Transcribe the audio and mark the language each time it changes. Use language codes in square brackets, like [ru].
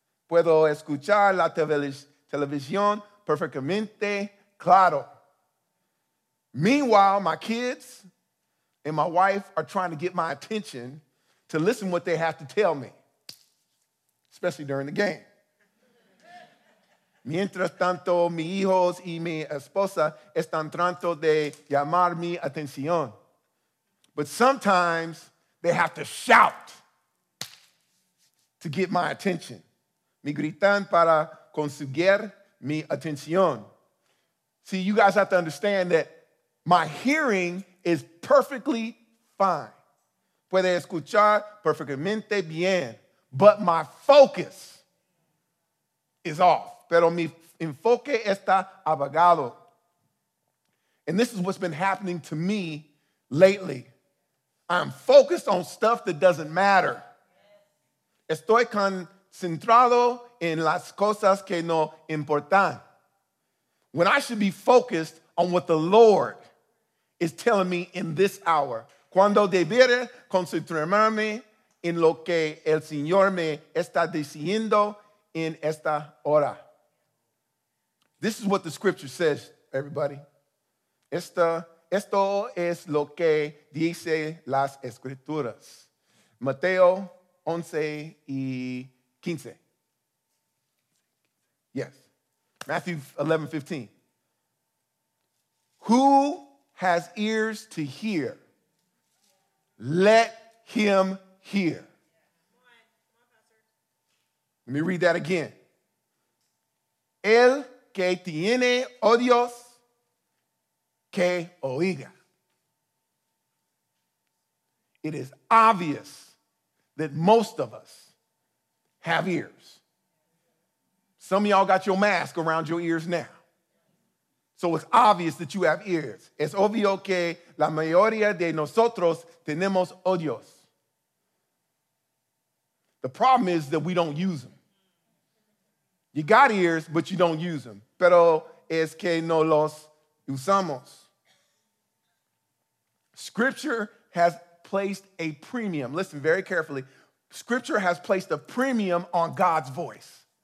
[es] Puedo escuchar la televisión perfectamente claro. [en] Meanwhile, my kids and my wife are trying to get my attention to listen what they have to tell me, especially during the game. [es] Mientras tanto, mis hijos y mi esposa están tratando de llamar mi atención. [en] But sometimes they have to shout to get my attention. [es] Me gritan para conseguir mi atención. [en] See, you guys have to understand that my hearing is perfectly fine. [es] Puede escuchar perfectamente bien, [en] but my focus is off. [es] Pero mi enfoque está apagado. [en] And this is what's been happening to me lately. I'm focused on stuff that doesn't matter. [es] Estoy concentrado en las cosas que no importan. [en] When I should be focused on what the Lord is telling me in this hour. [es] Cuando debiera concentrarme en lo que el Señor me está diciendo en esta hora. [en] This is what the scripture says, everybody. [es] Esto es lo que dice las escrituras. Mateo 11 y 15. [en] Yes. Matthew 11, 15. Who has ears to hear? Let him hear. Let me read that again. [es] El que tiene oídos, que oiga. [en] It is obvious that most of us have ears. Some of y'all got your mask around your ears now. So it's obvious that you have ears. [es] Es obvio que la mayoría de nosotros tenemos oídos. [en] The problem is that we don't use them. You got ears, but you don't use them. [es] Pero es que no los usamos. [en] Scripture has placed a premium. Listen very carefully. Scripture has placed a premium on God's voice.